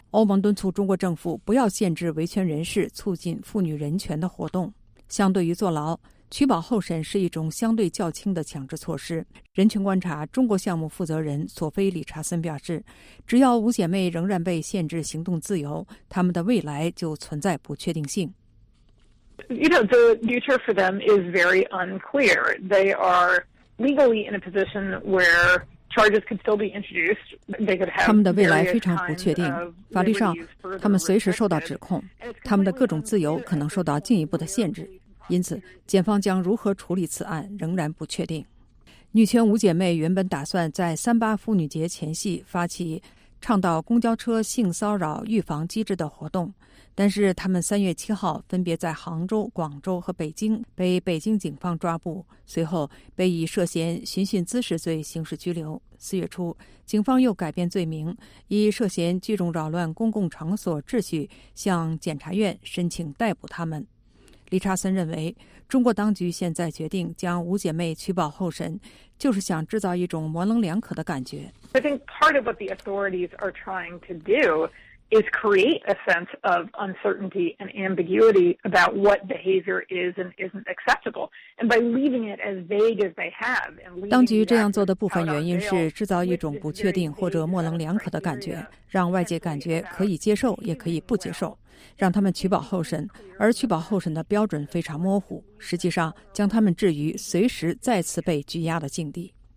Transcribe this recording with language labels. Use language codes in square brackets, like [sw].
[zh] 欧盟敦促中国政府不要限制维权人士促进妇女人权的活动。相对于坐牢，取保候审是一种相对较轻的强制措施。人权观察中国项目负责人索菲·理查森表示，只要五姐妹仍然被限制行动自由，他们的未来就存在不确定性。 [en] You know, the future for them is very unclear. They are legally in a position where charges could still be introduced. They could have [zh] 他们的未来非常不确定，法律上他们随时受到指控，他们的各种自由可能受到进一步的限制。因此，检方将如何处理此案仍然不确定。女权五姐妹原本打算在38妇女节前夕发起倡导公交车性骚扰预防机制的活动，但是她们3月7号分别在杭州、广州和北京被北京警方抓捕，随后被以涉嫌寻衅滋事罪刑事拘留。 4月初，警方又改变罪名，以涉嫌聚众扰乱公共场所秩序向检察院申请逮捕她们。理查森认为，中国当局现在决定将五姐妹取保候审，就是想制造一种模棱两可的感觉。 [en] I think part of what the authorities are trying to do is create a sense of uncertainty and ambiguity about what behavior is and isn't acceptable. And by leaving it as vague as they have, [zh] 当局这样做的部分原因是制造一种不确定或者模棱两可的感觉，让外界感觉可以接受也可以不接受。让他们取保候审，而取保候审的标准非常模糊，实际上将他们置于随时再次被拘押的境地。